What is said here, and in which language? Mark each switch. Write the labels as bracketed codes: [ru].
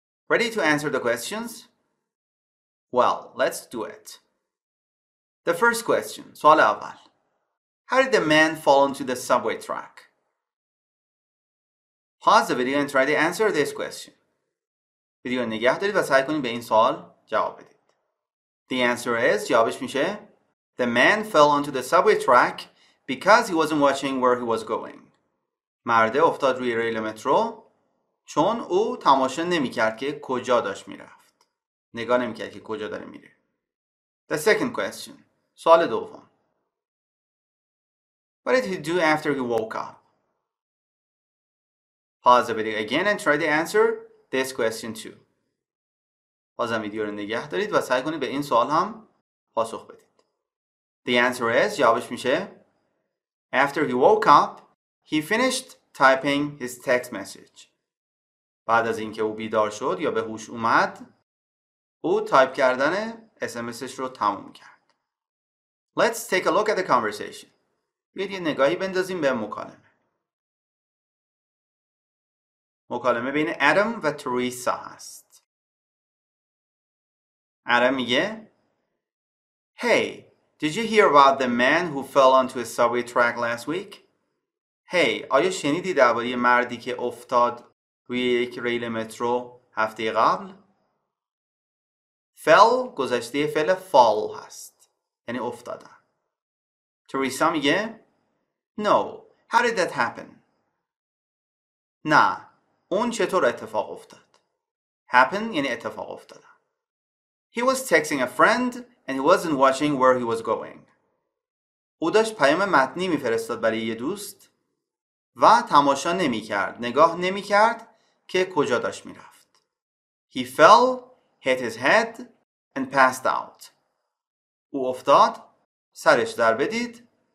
[en] Ready to answer the questions? Well, let's do it. The first question, [fa] سوال اول. [en] How did the man fall onto the subway track? Pause the video and try to answer this question. [fa] ویدیو نگه دارید و سعی کنید به این سوال جواب بدید. [en] The answer is, [fa] جوابش میشه, [en] the man fell onto the subway track because he wasn't watching where he was going. [fa] مرد افتاد روی ریل مترو چون او تماشا نمیکرد که کجا داشت میرفت. نگاه نمیکرد که کجا داره میره. [en] The second question, [fa] سوال دوم. [en] What did he do after he woke up? Pause the video again and try to answer this question too. [fa] بازم ویدیو رو نگه دارید و سعی کنید به این سوال هم پاسخ بدید. [en] The answer is, [fa] جوابش میشه [en] After he woke up, he finished typing his text message. [fa] بعد از اینکه او بیدار شد یا به هوش اومد او تایپ کردن SMSش رو تموم کرد. [en] Let's take a look at the conversation. [fa] بیاید یه نگاهی بندازیم به مکالمه. مکالمه بین Adam و Teresa هست. [en] Adam میگه Hey, did you hear about the man who fell onto a subway track last week? [fa] Hey, آیا شنیدی درباره مردی که افتاد روی یک ریل مترو هفته قبل؟ Fell گذشته فعل fall هست. یعنی افتادن. [en] Teresa میگه No, how did that happen? [fa] نه، اون چطور اتفاق افتاد؟ Happen یعنی اتفاق افتاد. [en] He was texting a friend and he wasn't watching where he was going. [fa] او داشت پیام متنی میفرستاد برای یه دوست و تماشا نمیکرد، نگاه نمیکرد که کجا داشت میرفت. [en] He fell, hit his head and passed out. [fa] او افتاد، سرش در بدید